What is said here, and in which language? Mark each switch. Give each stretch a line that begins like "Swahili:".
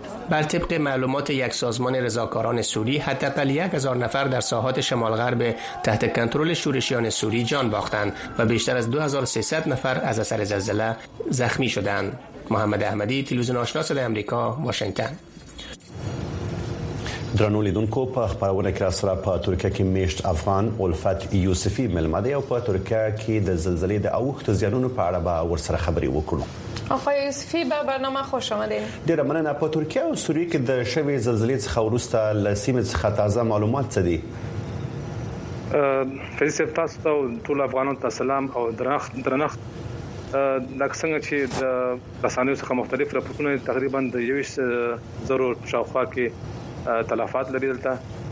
Persian: بر طبق معلومات یک سازمان رضاکاران سوری، حداقل 1000 نفر در ساحات شمال غرب تحت کنترل شورشیان سوری جان باختند و بیشتر از 2300 نفر از اثر زلزله زخمی شدند. محمد احمدی، تلویزیون آشنا، صدای آمریکا، واشنگتن.
Pashto: درنو لیدونکو، په خبرونه کې سره په ترکیه کې میشت افغان الفت یوسفی میلمه دی او په ترکیه کې د زلزلې د اوخت زیانونو په اړه به ورسره خبرې وکړو.
Persian: آقای یوسفی، به برنامه خوش آمدین.
Pashto: ډیره مننه. په ترکیه او سوریه کې د شوې زلزلې څخه وروسته له سیمې څخه تازه معلومات څه دي؟ فیصب، تاسو ته ټول افغانانو ته سلام او درنښت. درنښت لکه څنګه چې د رسنیو څخه مختلف راپورونه، تقریبا د 20,000 شاوخوا کې تلفات لري دلته.